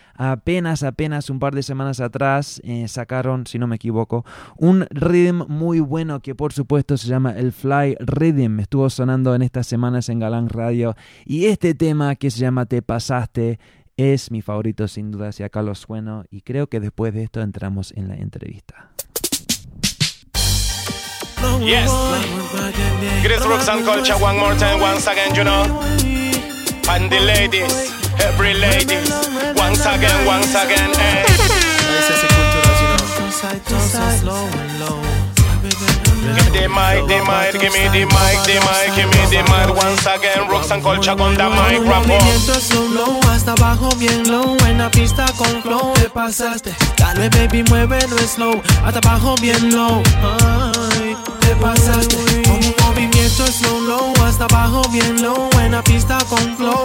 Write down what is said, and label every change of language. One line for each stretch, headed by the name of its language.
Spanish: Apenas un par de semanas atrás sacaron, si no me equivoco, un rhythm muy bueno que por supuesto se llama el Fly Rhythm. Estuvo sonando en estas semanas en Galán Radio y este tema que se llama Te Pasaste es mi favorito sin duda. Si acá lo sueno y creo que después de esto entramos en la entrevista.
English: Yes, greatest rocks and culture, one more time, once again, you know. And the ladies, every ladies, once again, hey. Give the mic, give me the mic, the mic, give me the mic. Once again, rocks and culture con the mic, rap on.
Spanish: Hasta abajo bien low, en la pista con flow. Te pasaste, dale baby, muévelo slow. Hasta abajo bien low, ay, te pasaste. Con un movimiento
English: slow low,
Spanish: hasta abajo bien low, en la pista con flow.